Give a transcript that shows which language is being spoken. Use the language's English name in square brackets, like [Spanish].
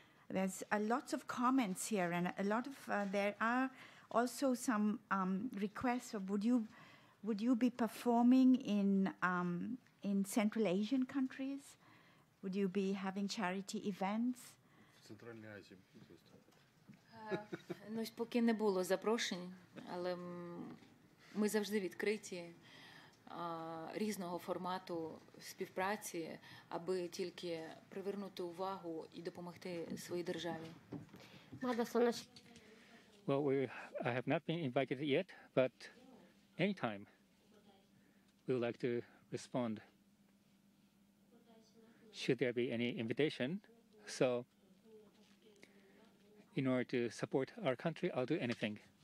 [English] There's lots of comments here, and a lot of there are also some requests. Of would you be performing in Central Asian countries? Would you be having charity events? [Ukrainian] Центральній Азії. Ну, поки не було запрошень, але ми завжди відкриті. різного формату співпраці, аби тільки привернути увагу і допомогти своїй державі. [English] Well, I have not been invited yet, but anytime we would like to respond. Should there be any invitation, so in order to support our country, I'll do anything.